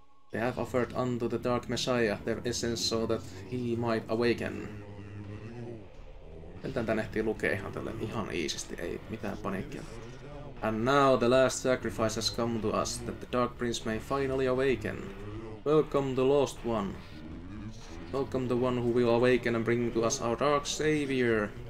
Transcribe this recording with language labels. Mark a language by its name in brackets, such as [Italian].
[English] They have offered unto the Dark Messiah their essence so that he might awaken. [Finnish] Miltään tän ehtii lukee ihan tälle ihan iisisti, ei mitään paniikkia. [English] And now the last sacrifice has come to us that the Dark Prince may finally awaken. Welcome the lost one. Welcome the one who will awaken and bring to us our Dark Savior.